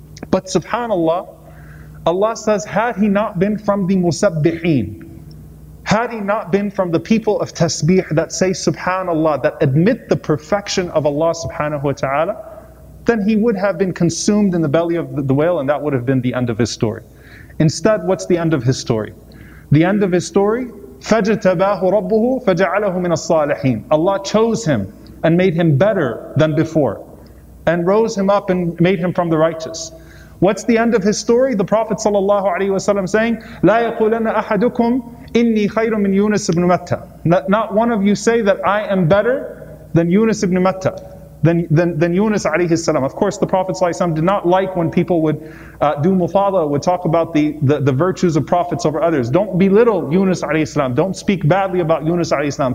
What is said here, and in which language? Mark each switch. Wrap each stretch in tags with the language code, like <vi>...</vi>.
<en>But subhanAllah, Allah says, had he not been from the musabbihin, had he not been from the people of tasbih that say subhanAllah, that admit the perfection of Allah subhanahu wa ta'ala, then he would have been consumed in the belly of the whale, and that would have been the end of his story. Instead, what's the end of his story? The end of his story,</en> <ar>فَجَتَبَاهُ رَبُّهُ فَجَعَلَهُ مِنَ الصَّالِحِينَ.</ar> <en>Allah chose him and made him better than before, and rose him up and made him from the righteous. What's the end of his story? The Prophet sallallahu alaihi wasallam saying,</en> <ar>لَا يَقُولَنَّ أَحَدُكُمْ إِنِّي خَيْرٌ مِنْ يُونَسِ بْنُ مَتَّى.</ar> <en>Not one of you say that I am better than Yunus ibn Matta, than Yunus alayhi salam. Of course, the Prophet did not like when people would do mufadala, would talk about the virtues of prophets over others. Don't belittle Yunus alayhi salam. Don't speak badly about Yunus alayhi salam.</en>